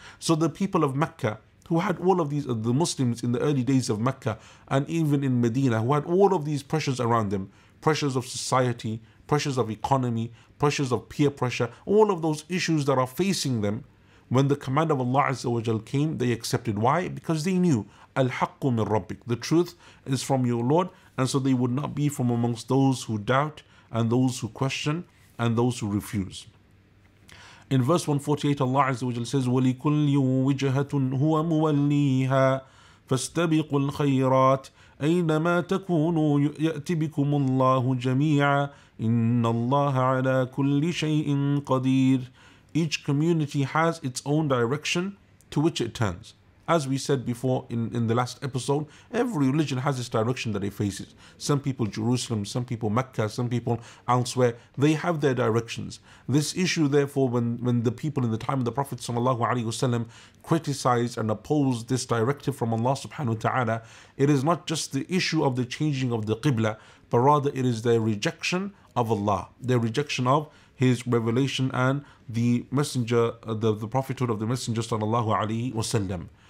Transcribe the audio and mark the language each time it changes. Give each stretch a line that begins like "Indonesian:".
English: So the people of Mecca, who had all of these, the Muslims in the early days of Mecca and even in Medina, who had all of these pressures around them, pressures of society, pressures of economy, pressures of peer pressure, all of those issues that are facing them, when the command of Allah Azza wa Jal came, they accepted. Why? Because they knew,
Arabic: Al-Haqqu min Rabbik,
English: the truth is from your Lord, and so they would not be from amongst those who doubt, and those who question, and those who refuse. In verse 148, Allah Azza wa Jal says,
Arabic: وَلِكُلِّ وِجْهَةٌ هُوَ مُوَلِّيهَا فَاسْتَبِقُوا الْخَيْرَاتِ أَيْنَمَا تَكُونُوا يَأْتِ بِكُمُ اللَّهُ جَمِيعًا إِنَّ اللَّهَ عَلَىٰ كُلِّ شَيْءٍ قَدِيرٍ.
English: Each community has its own direction to which it turns. As we said before in the last episode, every religion has its direction that it faces. Some people Jerusalem, some people Mecca, some people elsewhere, they have their directions. This issue, therefore, when the people in the time of the Prophet ﷺ criticized and opposed this directive from Allah subhanahu wa ta'ala, it is not just the issue of the changing of the Qibla, but rather it is their rejection of Allah, their rejection of His revelation and the messenger, the prophethood of the messenger sallallahu alayhi wa sallam.